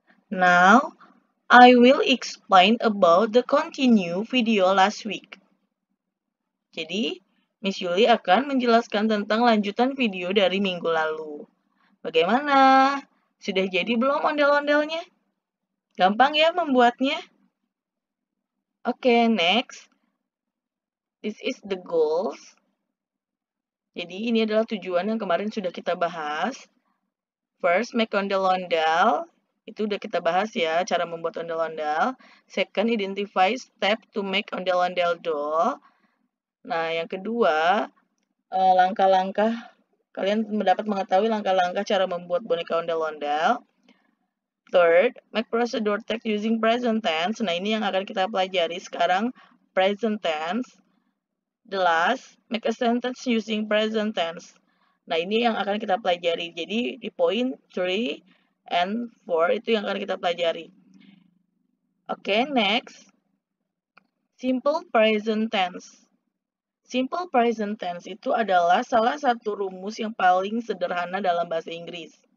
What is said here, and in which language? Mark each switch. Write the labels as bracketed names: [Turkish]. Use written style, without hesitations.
[English] Now, I will explain about the continue video last week. [Indonesian] Jadi, Miss Yuli akan menjelaskan tentang lanjutan video dari minggu lalu. Bagaimana? Sudah jadi belum ondel-ondelnya? Gampang ya membuatnya? Oke, next. [English] This is the goals. [Indonesian] Jadi, ini adalah tujuan yang kemarin sudah kita bahas. [English] First, make ondel-ondel. [Indonesian] Itu sudah kita bahas ya, cara membuat ondel-ondel. [English] Second, identify step to make ondel-ondel doll. [Indonesian] Nah, yang kedua, langkah-langkah. Kalian dapat mengetahui langkah-langkah cara membuat boneka ondel-ondel. [English] Third, make procedure text using present tense. [Indonesian] Nah, ini yang akan kita pelajari sekarang, present tense. [English] The last, make a sentence using present tense. [Indonesian] Nah, ini yang akan kita pelajari. Jadi, di point 3 and 4 itu yang akan kita pelajari. Oke, next. [English] Simple present tense. [Indonesian] Simple present tense itu adalah salah satu rumus yang paling sederhana dalam bahasa Inggris.